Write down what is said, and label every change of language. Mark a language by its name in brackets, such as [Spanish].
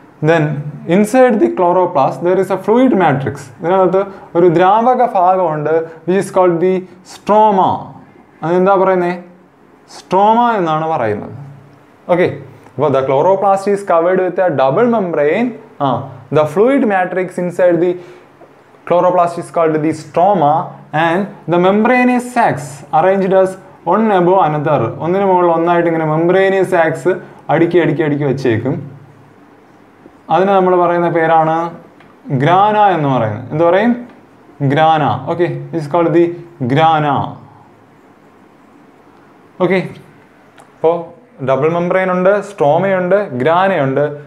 [English] Then inside the chloroplast there is a fluid matrix. [Malayalam] ഇതിനകത്ത് ഒരു ദ്രാവക ഭാഗമുണ്ട്, [English] Which is called the stroma. [Malayalam] അതെന്താ പറയുന്നത്? സ്ട്രോമ എന്നാണ് പറയുന്നത്. ഓക്കെ, അപ്പോൾ [English] The chloroplast is covered with a double membrane. ആ the fluid matrix inside the chloroplast is called the stroma and the membranous sacs arranged as one above another. [Malayalam] ഒന്നിനു മുകളിൽ ഒന്നായിട്ട് ഇങ്ങനെ membranous sacs അടുക്കി അടുക്കി അടുക്കി വെച്ചേക്കും. അതിനെ നമ്മൾ പറയുന്ന പേരാണ് ഗ്രാന എന്ന് പറയുന്നത്. എന്ത് പറയും? Grana. [English] Okay, it is called the grana. [Malayalam] Okay, അപ്പോൾ ഡബിൾ മെംബ്രെയിൻ ഉണ്ട്, സ്ട്രോമയുണ്ട്, ഗ്രാനയുണ്ട്.